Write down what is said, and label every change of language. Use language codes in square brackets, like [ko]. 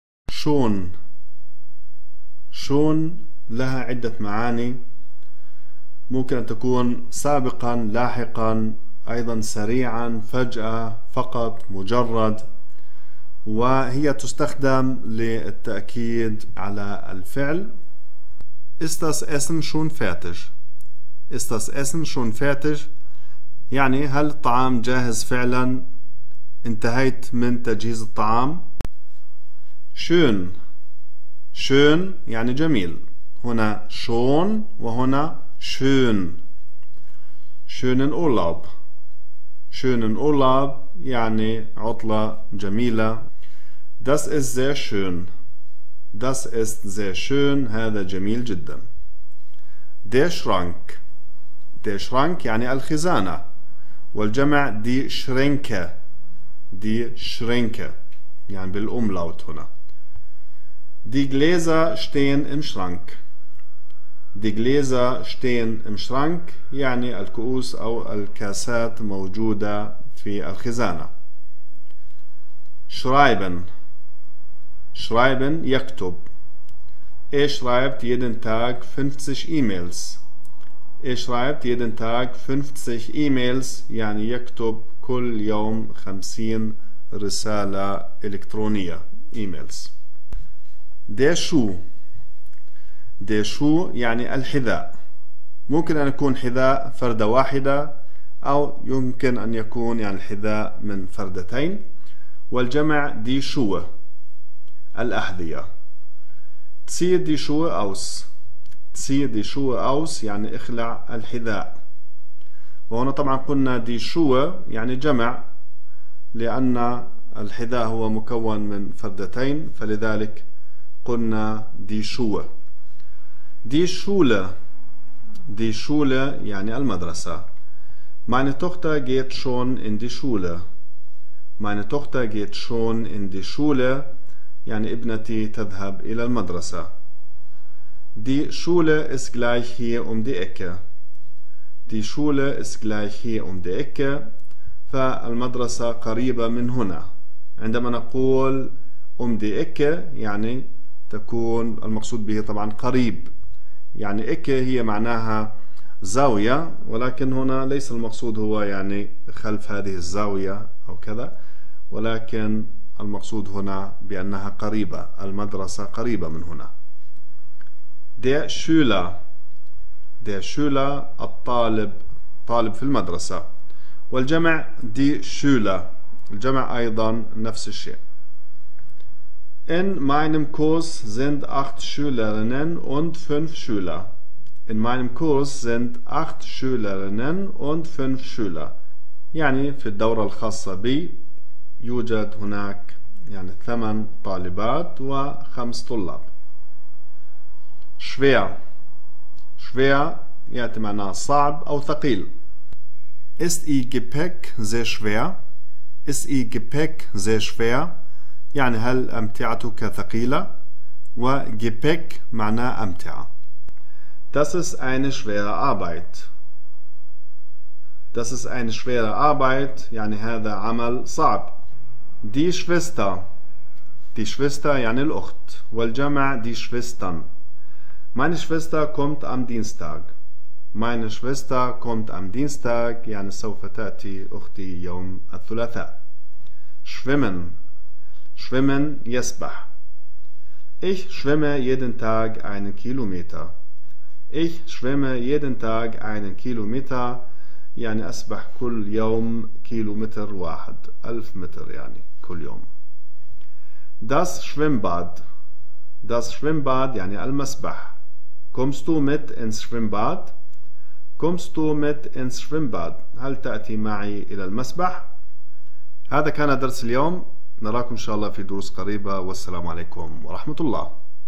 [ar] شون. شون لها عدة معاني، ممكن أن تكون سابقا، لاحقا، أيضا سريعا، فجأة، فقط، مجرد، وهي تستخدم للتأكيد على الفعل. [de] Ist das Essen schon fertig? Ist das Essen schon fertig? [ar] يعني هل الطعام جاهز فعلا؟ انتهيت من تجهيز الطعام؟ Schön. Schön يعني جميل. هنا schon وهنا schön. [de] Schönen Urlaub. Schönen Urlaub [ar] يعني عطلة جميلة. [de] Das ist sehr schön. Das ist sehr schön. [ar] هذا جميل جدا. [de] Der Schrank. Der Schrank [ar] يعني الخزانة. [de] والجمع die Schränke. Die Schränke. [ar] يعني بالأملاوت هنا. [de] Die Gläser stehen im Schrank. Die Gläser stehen im Schrank. [ar] يعني الكؤوس أو الكاسات موجودة في الخزانة. Schreiben. Schreiben, يكتب. [de] Er schreibt jeden Tag 50 E-Mails. Er schreibt jeden Tag 50 E-Mails. [ar] يعني يكتب كل يوم 50 رسالة إلكترونية E-Mails. [de] Der Schuh. Der Schuh [ar] يعني الحذاء. ممكن أن يكون حذاء فردة واحدة أو يمكن أن يكون يعني الحذاء من فردتين. والجمع دي شوه. الأحذية. [de] Zieh die Schuhe aus. Zieh die Schuhe aus [ar] يعني اخلع الحذاء. وهنا طبعا قلنا دي شوه يعني جمع، لأن الحذاء هو مكون من فردتين، فلذلك قلنا دي شوه. دي شوله. دي شوله يعني المدرسة. [de] Meine Tochter geht schon in die Schule. Meine Tochter geht schon in die Schule. [ar] يعني ابنتي تذهب إلى المدرسة. [de] Die Schule ist gleich hier um die Ecke. Die Schule ist gleich hier um die Ecke. [ar] فالمدرسة قريبة من هنا. عندما نقول [de] um die Ecke [ar] يعني تكون المقصود به طبعا قريب. يعني Ecke هي معناها زاوية، ولكن هنا ليس المقصود هو يعني خلف هذه الزاوية أو كذا، ولكن المقصود هنا بأنها قريبة، المدرسة قريبة من هنا. [de] Der Schüler. Der Schüler [ar] الطالب، طالب في المدرسة. [de] والجمع die Schüler. [ar] الجمع أيضا نفس الشيء. [de] In meinem Kurs sind 8 Schülerinnen und 5 Schüler. In meinem Kurs sind 8 Schülerinnen und 5 Schüler. [ar] يعني في الدورة الخاصة بي يوجد هناك يعني 8 طالبات و5 طلاب. [de] Schwer. [ar] Schwer يعني معناه صعب أو ثقيل. [de] Ist Ihr Gepäck sehr schwer? Ist Ihr Gepäck sehr schwer? [ar] يعني هل أمتعتك ثقيلة؟ و Gepäck معناه أمتع. [de] Das ist eine schwere Arbeit. Das ist eine schwere Arbeit [ar] يعني هذا عمل صعب. دي Schwester. دي Schwester يعني الأخت. والجمع دي Schwestern. [de] Meine Schwester kommt am Dienstag. Meine Schwester kommt am Dienstag [ar] يعني سوف تأتي أختي يوم الثلاثاء. [de] Schwimmen. [ar] Schwimmen يسبح. [de] Ich schwimme jeden Tag einen Kilometer. Ich schwimme jeden Tag einen Kilometer [ar] يعني أسبح كل يوم كيلومتر واحد، 1000 متر يعني كل يوم. [de] Das Schwimmbad. Das Schwimmbad [ar] يعني المسبح. [de] Kommst du mit ins Schwimmbad? Kommst du mit ins Schwimmbad؟ [ar] هل تأتي معي إلى المسبح؟ هذا كان درس اليوم. نراكم إن شاء الله في دروس قريبة، والسلام عليكم ورحمة الله.